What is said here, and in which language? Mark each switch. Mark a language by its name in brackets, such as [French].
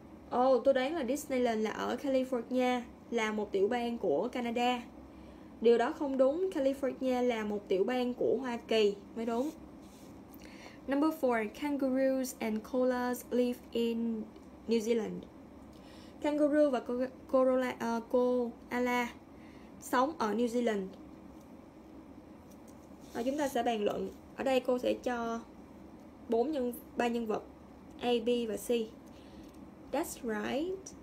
[Vietnamese] Oh, tôi đoán là Disneyland là ở California, là một tiểu bang của Canada. Điều đó không đúng, California là một tiểu bang của Hoa Kỳ mới đúng. [English] Number 4, kangaroos and koalas live in New Zealand. [Vietnamese] Kangaroo và koala sống ở New Zealand. Và chúng ta sẽ bàn luận. Ở đây cô sẽ cho 3 nhân vật A, B và C. [English] That's right.